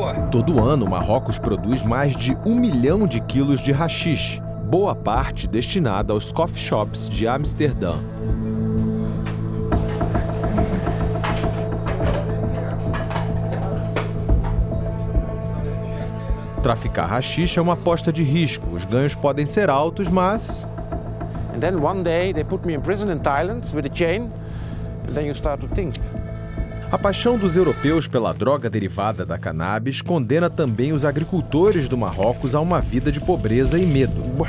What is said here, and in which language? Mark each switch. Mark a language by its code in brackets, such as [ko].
[pt] Todo ano, Marrocos produz mais de 1 milhão de quilos de haxixe, boa parte destinada aos coffee shops de Amsterdã. Traficar haxixe é uma aposta de risco. Os ganhos podem ser altos, mas... [en] And then one day they put me in prison in Thailand with a chain, and then you start to think. [pt] A paixão dos europeus pela droga derivada da cannabis condena também os agricultores do Marrocos a uma vida de pobreza e medo.